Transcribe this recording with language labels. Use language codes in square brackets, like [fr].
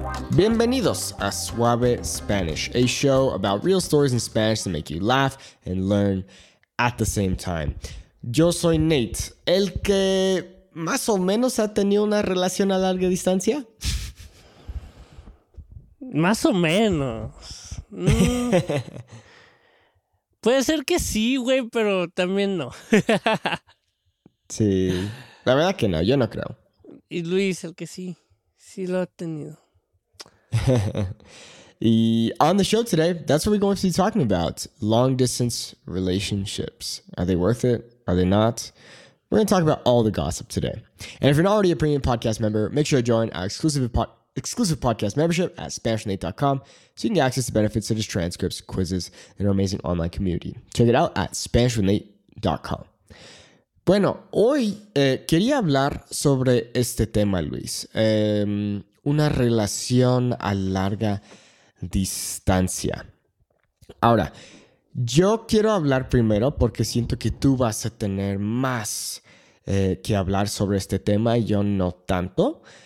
[es] Bienvenidos a Suave Spanish, a show about real stories in Spanish to make you laugh and learn at the same time. Yo soy Nate, el que más o menos ha tenido una relación a larga distancia. Más o menos. Puede ser que sí, güey, pero también no. Sí, la verdad que no, yo no creo. Y Luis, el que sí, sí lo ha tenido. [en] Y on the show today, that's what we're going to be talking about. Long distance relationships. Are they worth it? Are they not? We're going to talk about all the gossip today. And if you're not already a premium podcast member, make sure to join our exclusive podcast membership at SpanishNate.com so you can get access to benefits such as transcripts, quizzes, and our amazing online community. Check it out at SpanishNate.com. [es] Bueno, hoy quería hablar sobre este tema, Luis. Una relación a larga distancia. Ahora, yo quiero hablar primero porque siento que tú vas a tener más que hablar sobre este tema y yo no tanto.